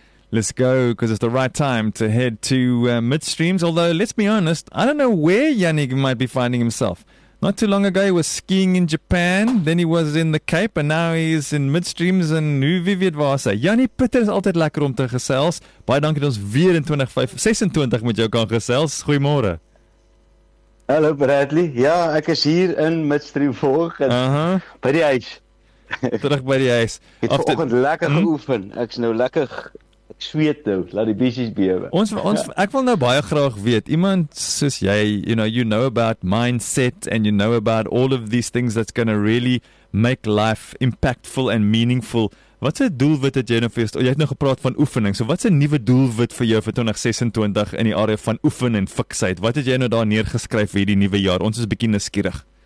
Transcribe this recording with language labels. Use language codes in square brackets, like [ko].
[en] Let's go, because it's the right time to head to midstreams. Although, let's be honest, I don't know where Yannick might be finding himself. Not too long ago, he was skiing in Japan, then he was in the Cape, and now he's in midstreams and nu vivid vasa. [af] Yannick Pieter is altijd lekker om te gesels. Baie dankie dat ons weer in 2026 met jou kan gesels. Goeiemorgen. Hallo Bradley. Ja, ek is hier in midstream volgens. By die huis. Terug by die huis. Ek het vanoggend lekker geoefen. Ek is nou lekker... Ek sweet nou, laat die biesies bewe. Ek wil nou baie graag weet, iemand soos jy, [en] you know about mindset and you know about all of these things that's going to really make life impactful and meaningful. [af] Wat is doelwit het jy nou vir jou? Jy het nou gepraat van oefening, so wat is 'n nuwe doelwit vir jou vir 2026 in die area van oefen en fiksheid? Wat het jy nou daar neergeskryf vir hierdie nuwe jaar? Ons is bietjie nuuskierig.